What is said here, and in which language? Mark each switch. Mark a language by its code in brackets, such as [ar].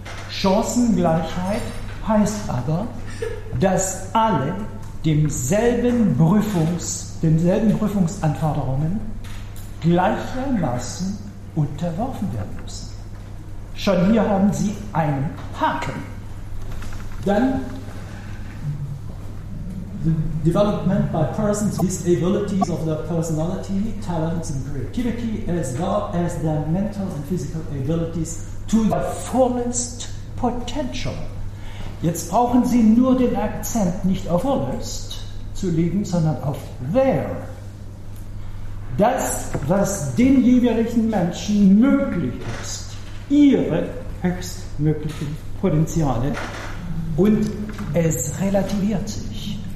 [de] Chancengleichheit heißt aber, dass alle denselben Prüfungsanforderungen gleichermaßen unterworfen werden müssen. Schon hier haben Sie einen Haken. Dann, [en] the development by persons with disabilities of their personality, talents and creativity, as well as their mental and physical abilities to their fullest potential. [de] Jetzt brauchen Sie nur den Akzent nicht auf fullest zu legen, sondern auf their. Das, was den jeweiligen Menschen möglich ist, ihre höchstmöglichen Potenziale, und es relativiert sich.